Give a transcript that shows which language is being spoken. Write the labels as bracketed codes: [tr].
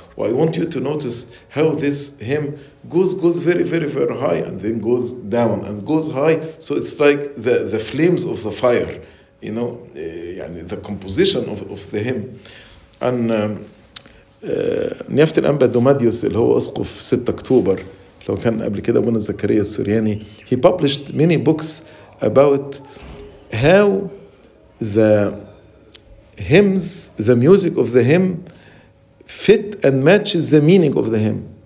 [en] Well, I want you to notice how this hymn goes very very very high and then goes down and goes high, so it's like the flames of the fire, the composition of the hymn. [ar] And نيافة الأنبا دوماديوس اللي هو أسقف 6 أكتوبر لو كان قبل كده ابونا زكريا السورياني. [en] He published many books about how the hymns, the music of the hymn fit and matches the meaning of the hymn.